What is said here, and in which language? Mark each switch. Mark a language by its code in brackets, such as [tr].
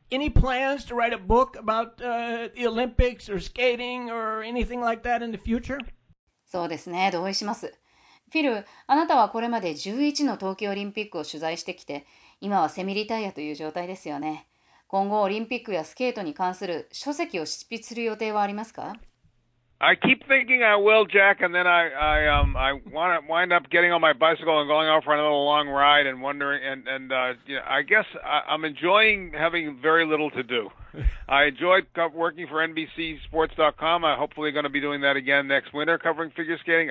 [en] Any plans to write a book about the Olympics or skating or anything like that in the future? [ja] そうですね、同意します。フィル、あなたはこれまで11の冬季オリンピックを取材してきて、今はセミリタイアという状態ですよね。今後オリンピックやスケートに関する書籍を執筆する予定はありますか？ [en] I keep thinking I will, Jack, and then I want to wind up getting on my bicycle and going out for another long ride and wondering, I guess I'm enjoying having very little to do. I enjoyed working for NBCSports.com. I'm hopefully going to be doing that again next winter, covering figure skating.